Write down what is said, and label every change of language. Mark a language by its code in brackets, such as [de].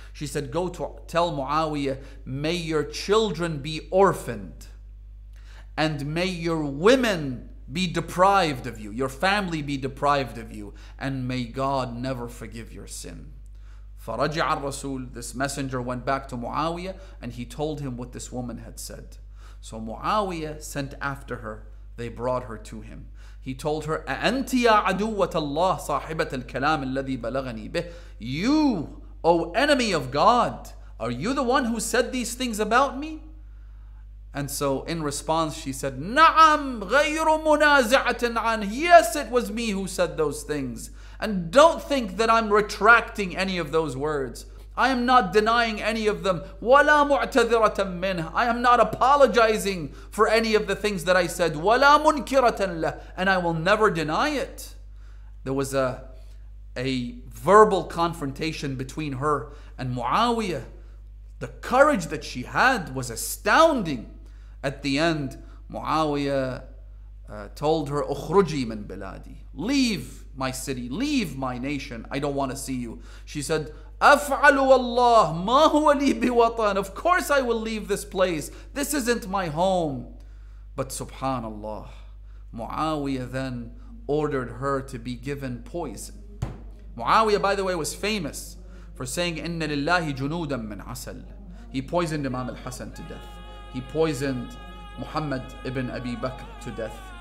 [en] She said, go to tell Muawiyah, may your children be orphaned, and may your women be deprived of you, your family be deprived of you, and may God never forgive your sin. [ar] فَرَجِعَ الرَّسُولُ. [en] This messenger went back to Muawiyah and he told him what this woman had said. So Muawiyah sent after her. They brought her to him. He told her, [ar] أَأَنْتِ يَا عَدُوَّةَ اللَّهِ صَاحِبَةَ الْكَلَامِ الَّذِي بَلَغَنِي بِهِ. [en] You, O enemy of God, are you the one who said these things about me? And so in response, she said, [ar] نعم غير منازعة عن. [en] Yes, it was me who said those things. And don't think that I'm retracting any of those words. I am not denying any of them. [ar] ولا معتذرة منه. [en] I am not apologizing for any of the things that I said. [ar] ولا منكرة له. [en] And I will never deny it. There was a verbal confrontation between her and Muawiyah. The courage that she had was astounding. At the end, Muawiyah told her, [ar] أخرجي من بلادي. [en] Leave my city, leave my nation. I don't want to see you. She said, [ar] أفعل والله ما هو لي بوطن. [en] Of course I will leave this place. This isn't my home. But subhanallah, Muawiyah then ordered her to be given poison. Muawiyah, by the way, was famous for saying, [ar] إِنَّ لِلَّهِ جُنُودًا مِّنْ عَسَلٍ. [en] He poisoned Imam al-Hasan to death. He poisoned Muhammad ibn Abi Bakr to death.